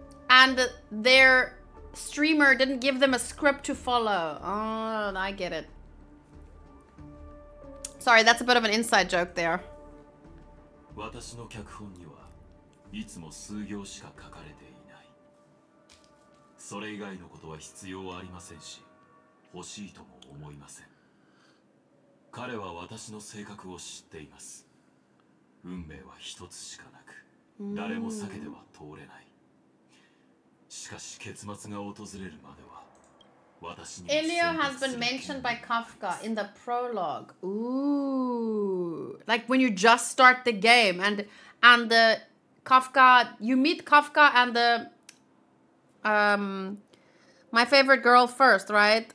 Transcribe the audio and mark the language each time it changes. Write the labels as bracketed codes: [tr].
[en] And their streamer didn't give them a script to follow. Oh, I get it. Sorry, that's a bit of an inside joke there. [ja] 私の脚本にはいつも数行しか書かれていない。それ以外のことは必要ありませんし、欲しいとも思いません。彼は私の性格を知っています。運命は一つしかなく、誰も避けては通れない。しかし結末が訪れるまでは、私に。 [en] Elio has been mentioned by Kafka in the prologue. Ooh, like when you just start the game and the Kafka, you meet Kafka and the my favorite girl first, right?